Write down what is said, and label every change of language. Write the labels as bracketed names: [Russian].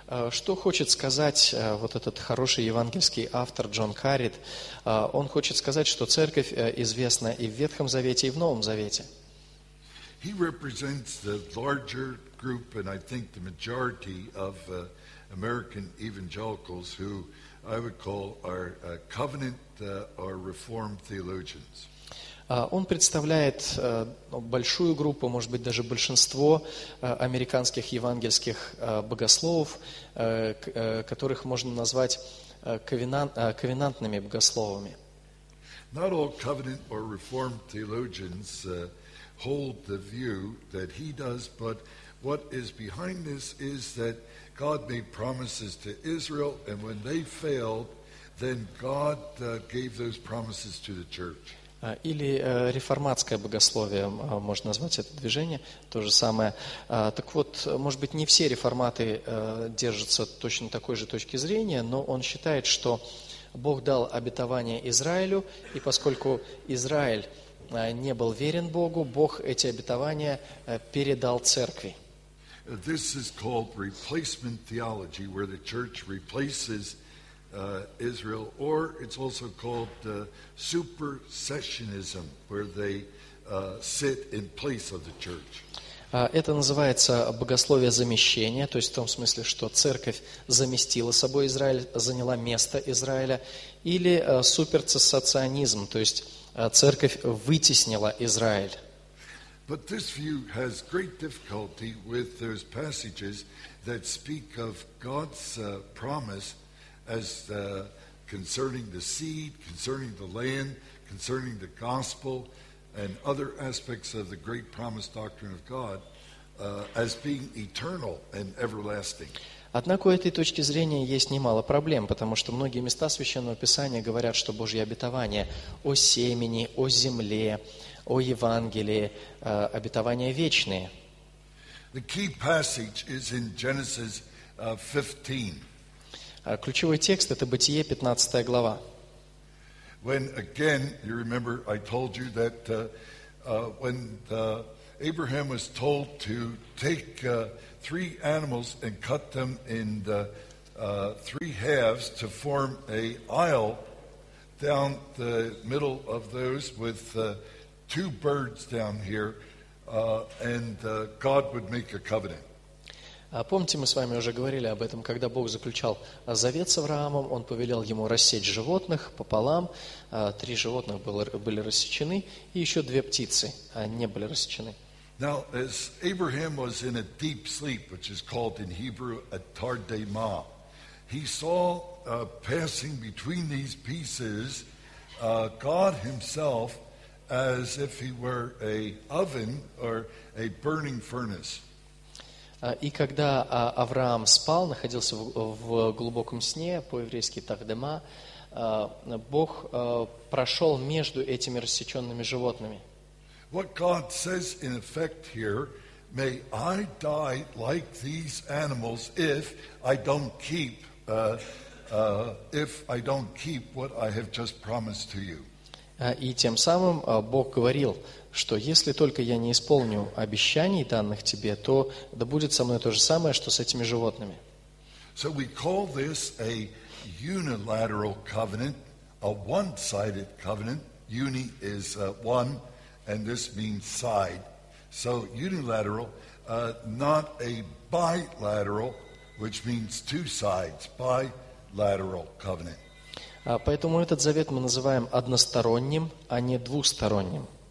[Russian] Что хочет сказать вот этот хороший евангельский автор Джон Карит? Он хочет сказать, что церковь известна и в Ветхом Завете, и в Новом Завете. [English] He represents the larger group, and I think the majority of American evangelicals who I would call are covenant or reformed theologians. [Russian] Он представляет большую группу, может быть, даже большинство американских евангельских богословов, которых можно назвать ковенантными богословами. [English] Not all covenant or reformed theologians hold the view that he does, but what is behind this is that God made promises to Israel, and when they failed, then God gave those promises to the church. [Russian] Или реформатское богословие, можно назвать это движение, то же самое. Так вот, может быть, не все реформаты держатся точно такой же точки зрения, но он считает, что Бог дал обетование Израилю, и поскольку Израиль не был верен Богу, Бог эти обетования передал церкви. [English] This is called replacement theology, where the church replaces Israel, or it's also called supersessionism, where they sit in place of the church. [Russian] Это называется богословие замещения, то есть в том смысле, что церковь заместила собой Израиль, заняла место Израиля, или суперцессационизм, то есть церковь вытеснила Израиль. [English] But this view has great difficulty with those passages that speak of God's promise as concerning the seed, concerning the land, concerning the gospel, and other aspects of the great promise doctrine of God, as being eternal and everlasting. [Russian] Однако у этой точки зрения есть немало проблем, потому что многие места Священного Писания говорят, что Божьи обетования о семени, о земле, о Евангелии, обетования вечные. [English] The key passage is in Genesis 15. [Russian] Ключевой текст — это Бытие, 15 глава. [English] When again, you remember, I told you that when Abraham was told to take three animals and cut them in the three halves to form a aisle down the middle of those with two birds down here, God would make a covenant. [Russian] Помните, мы с вами уже говорили об этом, когда Бог заключал завет с Авраамом, Он повелел ему рассечь животных пополам, три животных были рассечены, и еще две птицы не были рассечены. [English] Now, as Abraham was in a deep sleep, which is called in Hebrew a tardema, he saw passing between these pieces God himself as if he were a oven or a burning furnace. [Russian] И когда Авраам спал, находился в глубоком сне, по-еврейски «тахдема», Бог прошел между этими рассеченными животными. [English] What God says in effect here, may I die like these animals if I don't keep what I have just promised to you. [Russian] И тем самым Бог говорил, что если только я не исполню обещаний, данных тебе, то да будет со мной то же самое, что с этими животными. [English] So we call this a unilateral covenant, a one-sided covenant. Uni is one, and this means side. So unilateral, not a bilateral, which means two sides, bilateral covenant. [Russian] Поэтому этот завет мы называем односторонним, а не двусторонним.